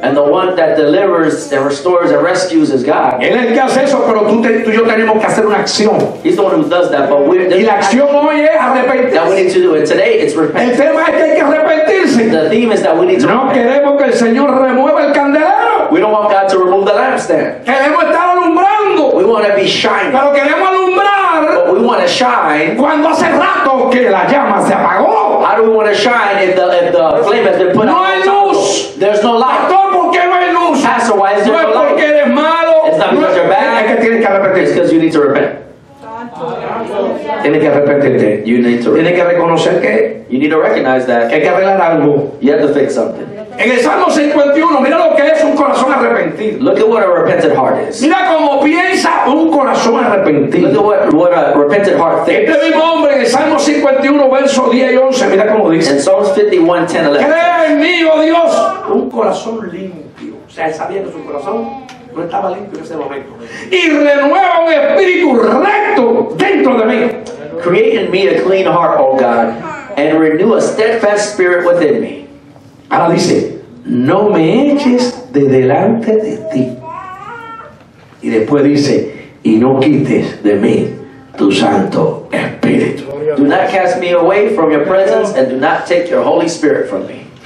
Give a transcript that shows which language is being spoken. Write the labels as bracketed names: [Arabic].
[English] And the one that delivers, that restores, and rescues is God. [Spanish] Él es el que hace eso, pero tú y yo tenemos que hacer una acción. [English] He's the one who does that, but we're. [Spanish] Y la acción hoy es arrepentirse. [English] That we need to do it today. It's repentance. [Spanish] El tema es que hay que arrepentirse. [English] The theme is that we need to. No repent. [Spanish] Queremos que el Señor remueva el candelero. [English] We don't want God to remove the lampstand. [Spanish] Queremos estar alumbrando. [English] We want to be shining. [Spanish] Pero queremos alumbrar. [English] But we want to shine. [Spanish] Cuando hace rato que la llama se apagó. [English] How do we want to shine if the flame has been put no out? [Spanish] No hay luz. [English] There's no light. [Spanish] Pastor, ¿por qué no hay luz? [English] Pastor, why is there no light? [Spanish] Porque eres malo. [English] It's not because you're bad. [Spanish] Es que tienes que arrepentir. [English] It's because you need to repent. [Spanish] Tienes que arrepentirte. [English] You need to repent. [Spanish] Tienes que reconocer que. [English] You need to recognize that. [Spanish] Que hay que arreglar algo. [English] You have to fix something. [Spanish] En el Salmo 51, mira lo que es un corazón arrepentido. [English] Look at what a repentant heart is. [Spanish] Mira cómo piensa un corazón arrepentido. [English] Look at what a repentant heart thinks. [Spanish] Este mismo hombre en el Salmo 51, verso 10 y 11, mira cómo dice. [English] In Psalms 51, 10, 11. [Spanish] Cree en mí, oh Dios, un corazón limpio. O sea, él sabía que su corazón no estaba limpio en ese momento. Y renueva un espíritu recto dentro de mí. [English] Create in me a clean heart, oh God, and renew a steadfast spirit within me. [Spanish] Ahora dice, no me eches de delante de ti. Y después dice, y no quites de mí tu Santo Espíritu. [English] Do not cast me away from your presence and do not take your Holy Spirit from me.